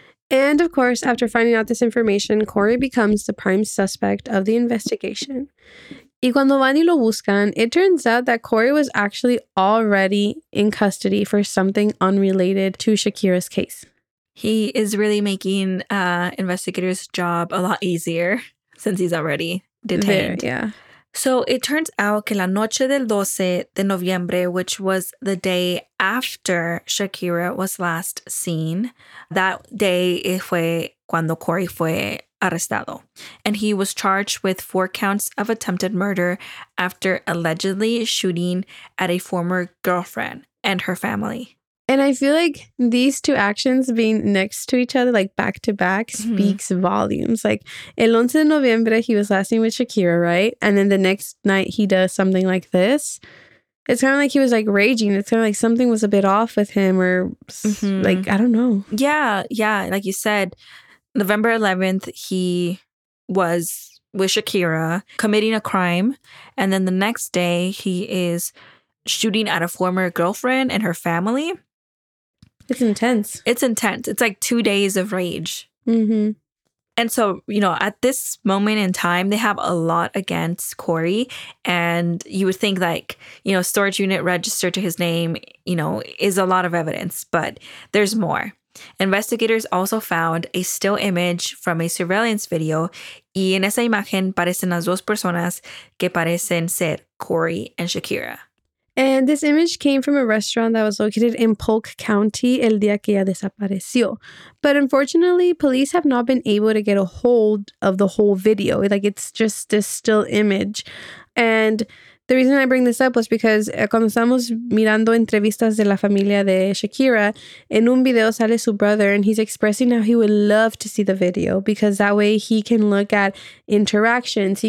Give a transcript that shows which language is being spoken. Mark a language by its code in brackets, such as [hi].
[en] And of course, after finding out this information, Corey becomes the prime suspect of the investigation. [es] Y cuando van y lo buscan, [en] it turns out that Corey was actually already in custody for something unrelated to Shakira's case. He is really making investigators' job a lot easier since he's already detained. There, yeah. So it turns out [es] que la noche del 12 de noviembre, [en] which was the day after Shakira was last seen, that day [es] fue cuando Corey fue arrestado. [en] And he was charged with 4 counts of attempted murder after allegedly shooting at a former girlfriend and her family. And I feel like these two actions being next to each other, like back to back, speaks volumes. Like, [es] el 11 de noviembre, [en] he was last seen with Shakira, right? And then the next night, he does something like this. It's kind of like he was, like, raging. It's kind of like something was a bit off with him or, like, I don't know. Yeah, yeah. Like you said, November 11th, he was with Shakira committing a crime. And then the next day, he is shooting at a former girlfriend and her family. It's intense. It's intense. It's like 2 days of rage. Mm-hmm. And so, you know, at this moment in time, they have a lot against Corey. And you would think, like, you know, storage unit registered to his name, you know, is a lot of evidence. But there's more. Investigators also found a still image from a surveillance video. [es] Y en esa imagen parecen las dos personas que parecen ser Corey and Shakira. [en] And this image came from a restaurant that was located in Polk County [es] el día que ella desapareció. [en] But unfortunately, police have not been able to get a hold of the whole video. Like, it's just this still image. And the reason I bring this up was because [es] cuando estamos mirando entrevistas de la familia de Shakira, en un video sale su [en] brother and he's expressing how he would love to see the video because that way he can look at interactions.